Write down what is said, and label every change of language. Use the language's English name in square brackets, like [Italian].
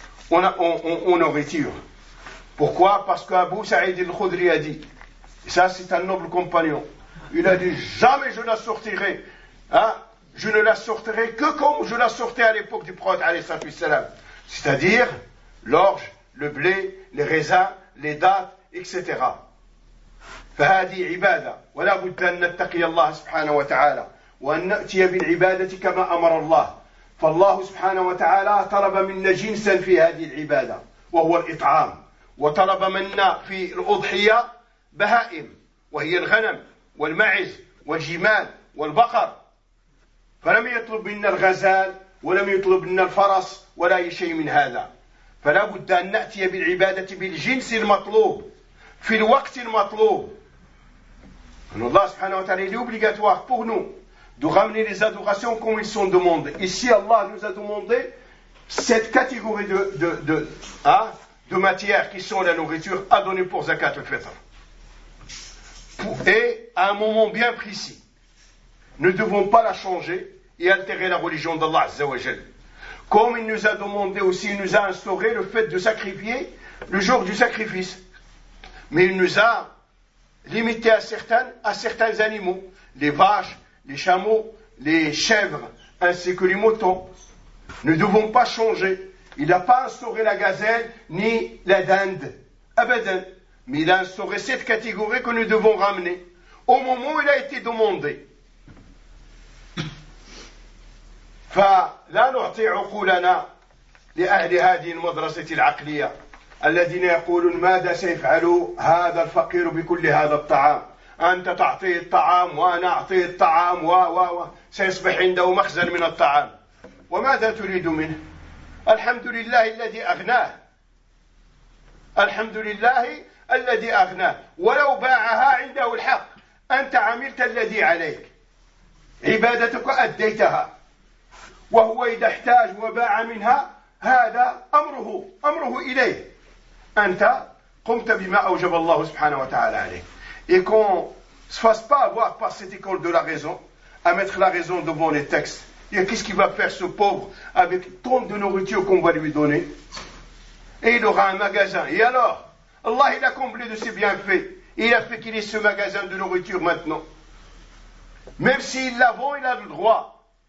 [French] On nourriture. Pourquoi? Parce qu'Abu Saïd al-Khudri a dit, et ça c'est un noble compagnon, il a dit jamais je la sortirai, je ne la sortirai que comme je la sortais à l'époque du prophète, c'est-à-dire l'orge, le blé, les raisins, les dattes, etc. [Arabic] فهذه عبادة ولا بد أن نتقي الله سبحانه وتعالى وأن نأتي بالعبادة كما أمر الله فالله سبحانه وتعالى طلب منا جنسا في هذه العبادة وهو الإطعام وطلب منا في الأضحية بهائم وهي الغنم والمعز والجمال والبقر فلم يطلب منا الغزال ولم يطلب منا الفرس ولا أي شيء من هذا فلا بد أن نأتي بالعبادة بالجنس المطلوب في الوقت المطلوب أن الله سبحانه وتعالى [French] لوبليغاتوار pour nous de ramener les adorations comme ils sont demandées. Ici, Allah nous a demandé cette catégorie de matières qui sont la nourriture à donner pour Zakat al-Fitr. Et à un moment bien précis, ne devons pas la changer et altérer la religion d'Allah Azza wa Jal. Comme il nous a demandé aussi, il nous a instauré le fait de sacrifier le jour du sacrifice. Mais il nous a limité à certains animaux, les vaches, les chameaux, les chèvres, ainsi que les moutons, ne devons pas changer. Il n'a pas instauré la gazelle ni la dinde, abadan, mais il a instauré cette catégorie que nous devons ramener au moment où il a été demandé. [Arabic] فلا نعطي عقولنا لأهل هذه المدرسة العقلية الذين يقولون ماذا سيفعل هذا الفقير بكل هذا الطعام؟ أنت تعطيه الطعام وأنا أعطيه الطعام سيصبح عنده مخزن من الطعام، وماذا تريد منه؟ الحمد لله الذي أغناه، الحمد لله الذي أغناه، ولو باعها عنده الحق. أنت عملت الذي عليك، عبادتك أديتها، وهو إذا احتاج وباع منها هذا أمره، أمره إليه. أنت قمت بما أوجب الله سبحانه وتعالى عليك. [French] Et qu'on ne se fasse pas avoir par cette école de la raison à mettre la raison devant les textes. Et qu'est-ce qu'il va faire ce pauvre avec tant de nourriture qu'on va lui donner? Et il aura un magasin. Et alors, Allah il a comblé de ses bienfaits. Et il a fait qu'il ait ce magasin de nourriture maintenant. Même s'il l'a vend, il a le droit.